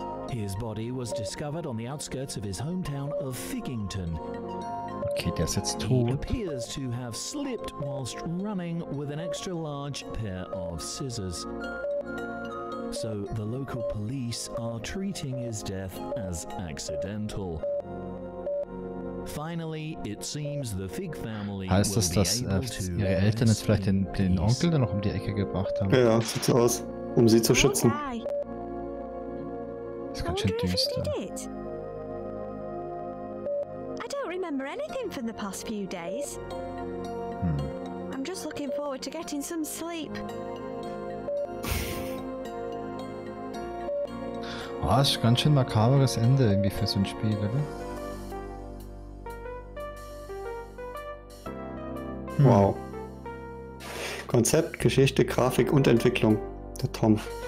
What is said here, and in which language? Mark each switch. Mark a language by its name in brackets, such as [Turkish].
[English] His body was discovered on the outskirts of his hometown of Figgington. [German] Okay, der ist jetzt tot. [English] He appears to have slipped whilst running with an extra large pair of scissors. So the local police are treating his death as accidental. Finally, it seems the Fig family [German] heißt das, dass ihre Eltern jetzt vielleicht den Onkel dann noch um die Ecke gebracht haben? Ja, sieht so aus, um sie zu schützen. Das ist ganz schön düster. [English] Remember anything from the past few days? Hm. I'm just looking forward to getting some sleep. [German] Oh, das ist ganz schön makaberes Ende irgendwie für so ein Spiel, oder? Hm. Wow. Konzept, Geschichte, Grafik und Entwicklung. Der Tom.